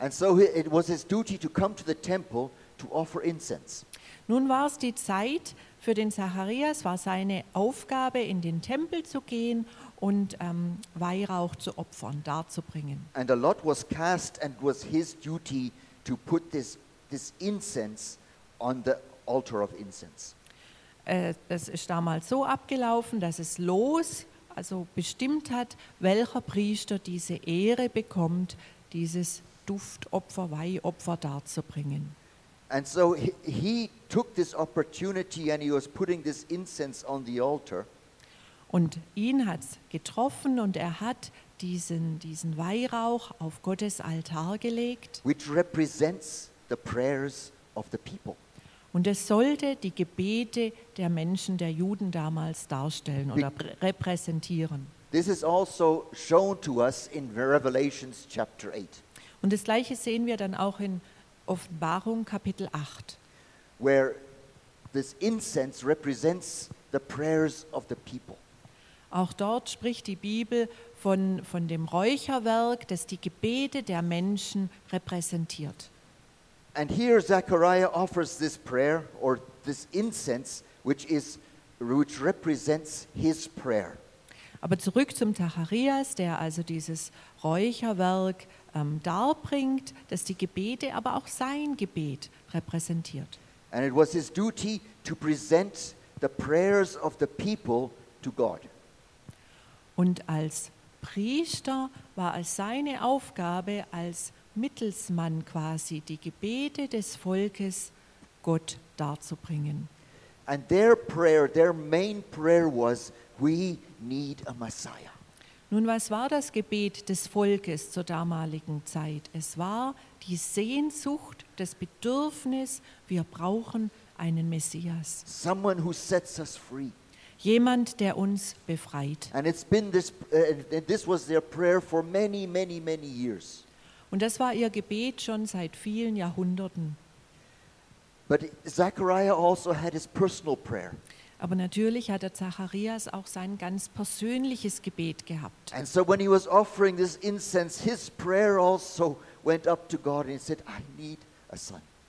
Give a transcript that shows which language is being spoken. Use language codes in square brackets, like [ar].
[en] And so it was his duty to come to the temple to offer incense. [de] Nun war es die Zeit für den Zacharias, war seine Aufgabe, in den Tempel zu gehen und Weihrauch zu opfern, darzubringen. [en] And a lot was cast and was his duty to put this incense on the altar of incense. [de] Es ist damals so abgelaufen, dass es los, also bestimmt hat, welcher Priester diese Ehre bekommt, dieses Duftopfer, Weihopfer darzubringen. [en] And so he took this opportunity and he was putting this incense on the altar. [de] Und ihn hat's getroffen und er hat diesen Weihrauch auf Gottes Altar gelegt. [en] Which represents the prayers of the people. [de] Und es sollte die Gebete der Menschen, der Juden damals darstellen oder repräsentieren. [en] This is also shown to us in Revelations chapter 8. [de] Und das Gleiche sehen wir dann auch in Offenbarung Kapitel 8. [en] Where this incense represents the prayers of the people. [de] Auch dort spricht die Bibel von dem Räucherwerk, das die Gebete der Menschen repräsentiert. [en] And here Zechariah offers this prayer or this incense which represents his prayer. [de] Aber zurück zum Zacharias, der also dieses Räucherwerk darbringt, das die Gebete aber auch sein Gebet repräsentiert. [en] And it was his duty to present the prayers of the people to God. [de] Und als Priester war es seine Aufgabe, als Mittelsmann quasi die Gebete des Volkes Gott darzubringen. [en] And their prayer, their main prayer was, we need a Messiah. [de] Nun, was war das Gebet des Volkes zur damaligen Zeit? Es war die Sehnsucht, das Bedürfnis, wir brauchen einen Messias. [en] Someone who sets us free. [de] Jemand, der uns befreit. [en] And it's been this, this was their prayer for many, many, many years. [de] Und das war ihr Gebet schon seit vielen Jahrhunderten. [en] But Zechariah also had his personal prayer. [de] Aber natürlich hat der Zacharias auch sein ganz persönliches Gebet gehabt. [en] And so when he was offering this incense, his prayer also went up to God and he said, I need a son.